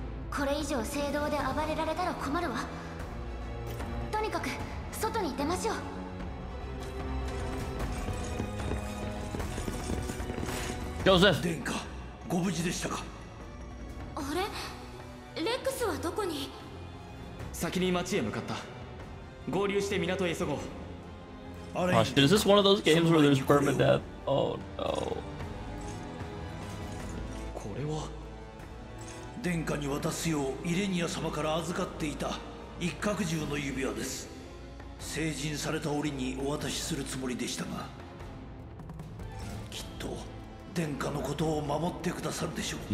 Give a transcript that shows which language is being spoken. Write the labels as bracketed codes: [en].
[ja] これ以上聖堂で暴れられたら困るわ。とにかく外に出ましょう。ジョセフ殿下、ご無事でしたか？あれ、レックスはどこに？先に町へ向かった。合流して港へ急ごう。 [en] あれ、Gosh, is this one of those games where there's permadeath? Oh no. [ja] これは殿下に渡すようイレニア様から預かっていた一角獣の指輪です。成人された折にお渡しするつもりでしたが、きっと殿下のことを守ってくださるでしょう。